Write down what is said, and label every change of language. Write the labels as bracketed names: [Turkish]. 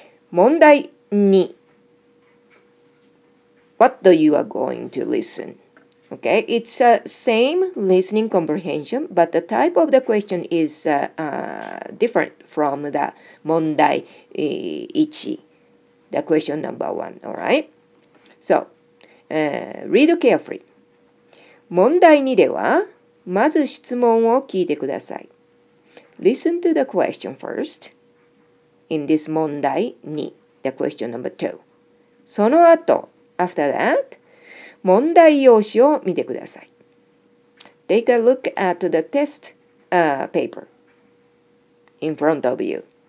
[English] 問題2What do you are going to listen? Okay, it's the same listening comprehension, but the type of the question is different from the 問題1, the question number 1, all right? So, read carefully. [Japanese] 問題2では、まず質問を聞いてください。 [English] Listen to the question first in this 問題2, the question number 2. [Japanese] その後、 After that, 問題用紙を見てください。 [English] Take a look at the test paper in front of you.